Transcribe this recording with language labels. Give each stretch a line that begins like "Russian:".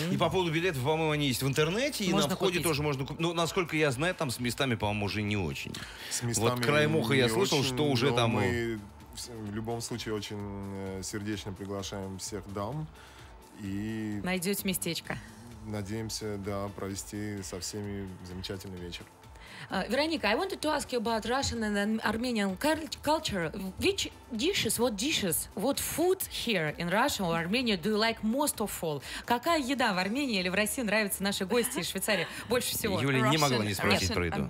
Russian: И по поводу билетов, по-моему, они есть в интернете, можно и на входе купить. Тоже можно купить. Ну, насколько я знаю, там с местами, по-моему, уже не очень. С местами вот краем уха я слышал, очень, что уже там... Мы в любом случае очень сердечно приглашаем всех дам. И... Найдете местечко. Надеемся, да, провести со всеми замечательный вечер.
English: Вероника, I wanted to ask you about Russian and Armenian culture. Which dishes, what dishes, what food here in Russia or Armenia do you like most of all?
Russian: Какая еда в Армении или в России нравится нашей гости из Швейцарии больше всего? Юля
English: Russian,
Russian: не могла не спросить про еду.